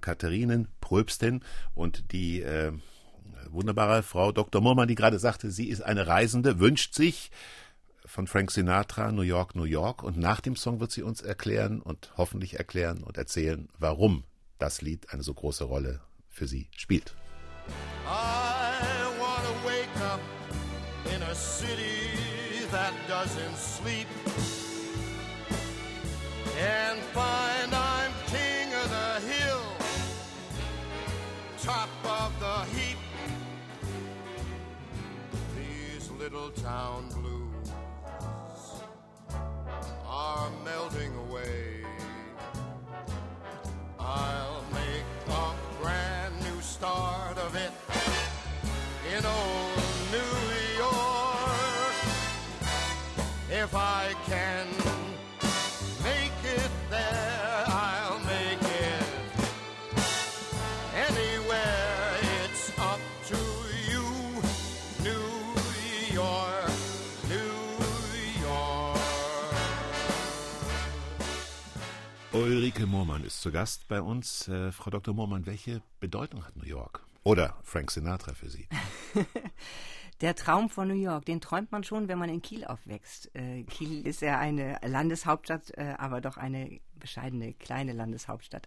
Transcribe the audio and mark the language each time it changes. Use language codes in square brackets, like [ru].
[de] Katharinen, Pröbstin, und die wunderbare Frau Dr. Murmann, die gerade sagte, sie ist eine Reisende, wünscht sich von Frank Sinatra New York, New York. Und nach dem Song wird sie uns erklären und hoffentlich erklären und erzählen, warum das Lied eine so große Rolle für sie spielt. [en] I wanna wake up. city that doesn't sleep and find I'm king of the hill, top of the heap. These little town blues are melting away. I'll make a brand new start of it in old New York. If I can make it there, I'll make it anywhere. It's up to you, New York, New York. [de] Ulrike Moormann ist zu Gast bei uns. Frau Dr. Moormann, welche Bedeutung hat New York? Oder Frank Sinatra für Sie? Der Traum von New York, den träumt man schon, wenn man in Kiel aufwächst. Kiel ist ja eine Landeshauptstadt, aber doch eine bescheidene, kleine Landeshauptstadt.